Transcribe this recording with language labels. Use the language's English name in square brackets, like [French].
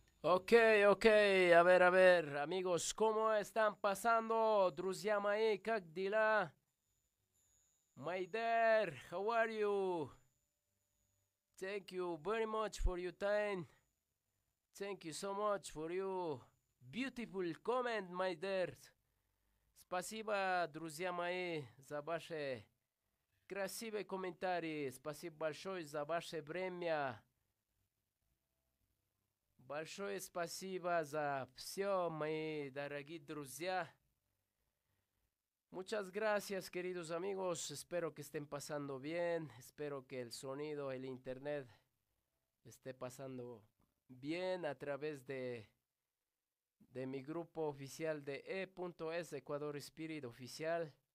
[Spanish] Okay, a ver, amigos, ¿cómo están pasando? [Russian] Друзья мои, как дела? [English] Майдер, how are you? Thank you very much for your time. Thank you so much for your beautiful comment, Майдер. [Russian] Спасибо, друзья мои, за ваши красивые комментарии. Спасибо большое за ваше время. Большое спасибо за все, мои дорогие друзья. [Spanish] Muchas gracias, queridos amigos. Espero que estén pasando bien. Espero que el sonido, el internet esté pasando bien a través de mi grupo oficial de E.S, Ecuador Spirit Oficial.